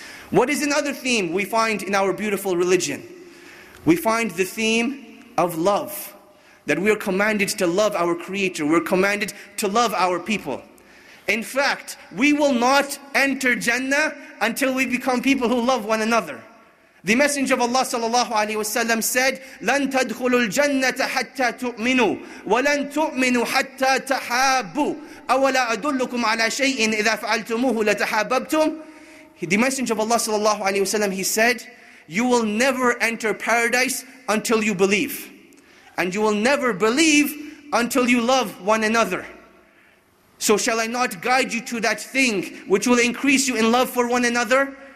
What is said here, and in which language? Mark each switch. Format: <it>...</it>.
<en>What is another theme we find in our beautiful religion? We find the theme of love. That we are commanded to love our Creator. We are commanded to love our people. In fact, we will not enter Jannah until we become people who love one another. The Messenger of Allah sallallahu alaihi wasallam said,</en> <ar>لَن تَدْخُلُ الْجَنَّةَ حَتَّى تُؤْمِنُوا وَلَن تُؤْمِنُوا حَتَّى تَحَابُوا أَوَلَا أَدُلُّكُمْ عَلَى شَيْءٍ إِذَا فَعَلْتُمُوهُ لَتَحَابَبْتُمْ.</ar> <en>The Messenger of Allah sallallahu alaihi wasallam, he said, you will never enter paradise until you believe. And you will never believe until you love one another. So shall I not guide you to that thing which will increase you in love for one another?</en>